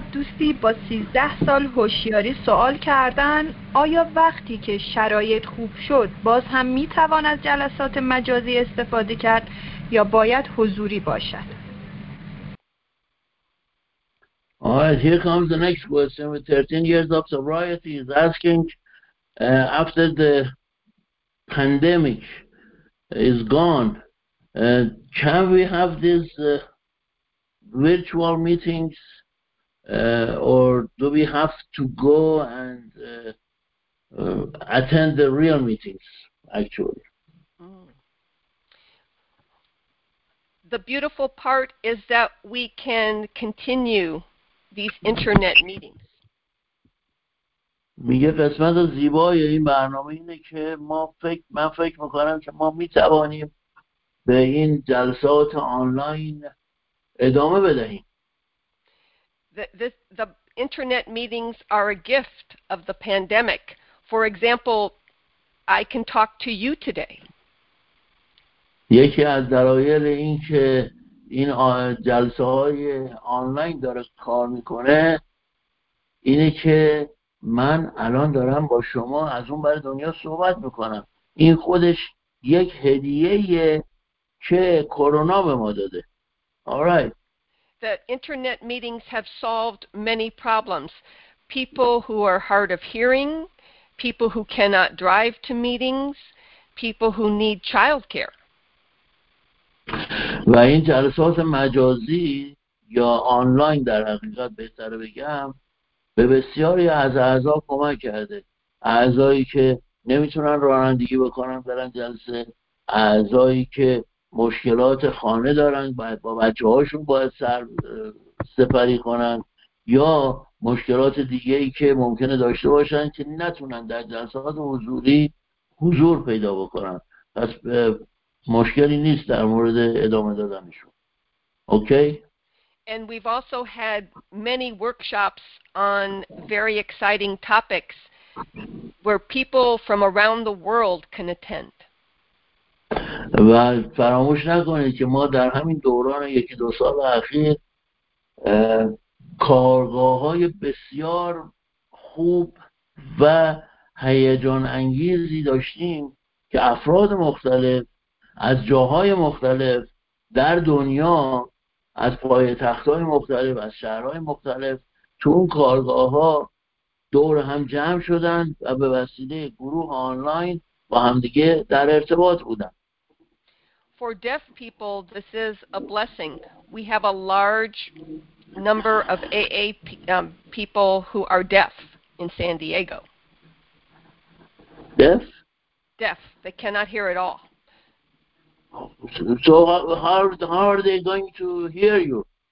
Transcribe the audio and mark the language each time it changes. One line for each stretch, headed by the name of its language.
Persian: دوستی با 13 سال هوشیاری سوال کردن، آیا وقتی که شرایط خوب شد باز هم میتوان از جلسات مجازی استفاده کرد یا باید حضوری باشد؟
English: Alright, here comes the next question. With 13 years of sobriety, he's asking, after the pandemic is gone, can we have these virtual meetings, or do we have to go and attend the real meetings, actually? The beautiful part is that we can continue these internet meetings.
Persian: میگه قسمت زیبای این برنامه اینه که من فکر میکنم که ما میتوانیم به این جلسات آنلاین ادامه بدهیم.
English: The internet meetings are a gift of the pandemic. For example, I can talk to you today.
Persian: یکی از دلایل این که این جلسه های آنلاین داره کار میکنه اینه که من الان دارم با شما از اون بر دنیا صحبت میکنم. این خودش یک هدیه‌ایه که کرونا به ما داده.
English: Alright. The internet meetings have solved many problems. People who are hard of hearing, people who cannot drive to meetings, people who need childcare.
Persian: و این جلسات مجازی یا آنلاین در حقیقت بهتر بگم به بسیاری از اعضا کمک کرده. اعضایی که نمیتونن رانندگی بکنن برن جلسه، اعضایی که مشکلات خانه دارن باید با بچه هاشون باید سر سپری کنن، یا مشکلات دیگه‌ای که ممکنه داشته باشن که نتونن در جلسات حضوری حضور پیدا بکنن، پس مشکلی نیست در مورد ادامه دادنشون.
English: Okay. And we've also had many workshops on very exciting topics where people from around the world can attend.
Persian: و فراموش نکنید که ما در همین دوران یکی دو سال اخیر کارگاه‌های بسیار خوب و هیجان انگیزی داشتیم که افراد مختلف از جاهای مختلف در دنیا، از پایتخت‌های مختلف، از شهرهای مختلف تو اون کارگاه‌ها دور هم جمع شدن و به وسیله گروه آنلاین با همدیگه در ارتباط بودن.
English: For deaf people, this is a blessing. We have a large number of AA people who are deaf in San Diego. Deaf? Deaf. They cannot hear at all. So how are they going to hear you?